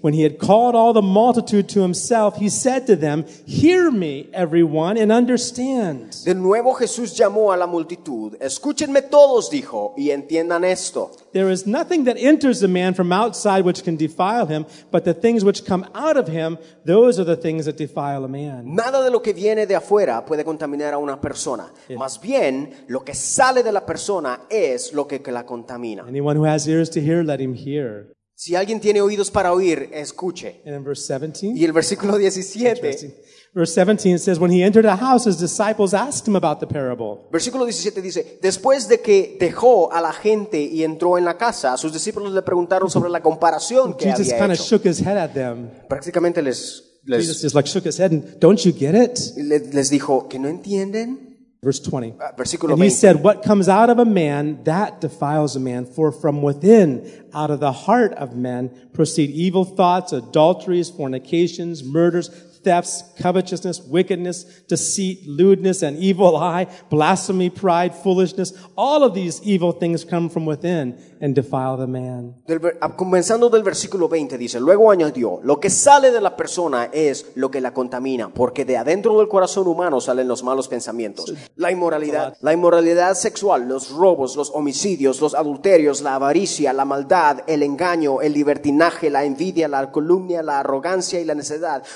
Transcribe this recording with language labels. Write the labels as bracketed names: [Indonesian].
[English] When he had called all the multitude to himself, he said to them, "Hear me, everyone, and understand." [Spanish] De nuevo Jesús llamó a la multitud. Escúchenme todos, dijo, y entiendan esto. [English] There is nothing that enters a man from outside which can defile him, but the things which come out of him, those are the things that defile a man. [Spanish] Nada de lo que viene de afuera puede contaminar a una persona. Yeah. Más bien, lo que sale de la persona es lo que la contamina. [English] Anyone who has ears to hear, let him hear. [Spanish] Si alguien tiene oídos para oír, escuche. [English] And in verse 17. [Spanish] Y el versículo 17. [English] Verse 17 says, when he entered a house, his disciples asked him about the parable. [Spanish] Versículo 17 dice, después de que dejó a la gente y entró en la casa, sus discípulos le preguntaron sobre la comparación que [English] Jesus [Spanish] había hecho. [English] Jesus kind of shook his head at them. [Spanish] Prácticamente les [English] Jesus just like shook his head and, don't you get it? [Spanish] Les dijo, ¿que no entienden? [English] Verse 20. [Spanish] Versículo [English] 20. And he said, what comes out of a man, that defiles a man. For from within, out of the heart of men, proceed evil thoughts, adulteries, fornications, murders, thefts, covetousness, wickedness, deceit, lewdness, an evil eye, blasphemy, pride, foolishness. All of these evil things come from within and defile the man. [Spanish] Comenzando del versículo 20 dice, luego añadió, lo que sale de la persona es lo que la contamina, porque de adentro del corazón humano salen los malos pensamientos, la inmoralidad sexual, los robos, los homicidios, los adulterios, la avaricia, la maldad, el engaño, el libertinaje, la envidia, la calumnia, la arrogancia y la necedad.